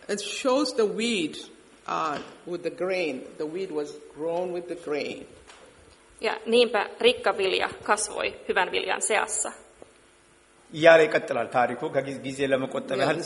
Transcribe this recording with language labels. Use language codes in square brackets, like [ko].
[en] It shows the weed with the grain. The weed was grown with the grain. [fi] Ja niinpä rikka vilja kasvoi hyvän viljan seassa. [am] ያለ ይቀጥላል ታሪኩ ከጊዜ ለመቆጠብ ያህል